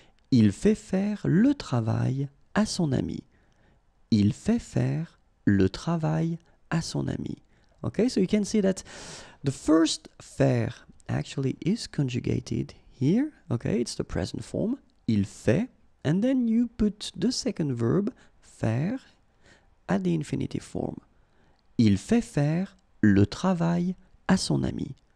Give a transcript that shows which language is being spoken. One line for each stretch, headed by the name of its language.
French: Il fait faire le travail à son ami. Il fait faire le travail à son ami.
English: Okay, so you can see that the first faire actually is conjugated here. Okay, it's the present form, il fait. And then you put the second verb, faire, at the infinitive form.
French: Il fait faire le travail à son ami.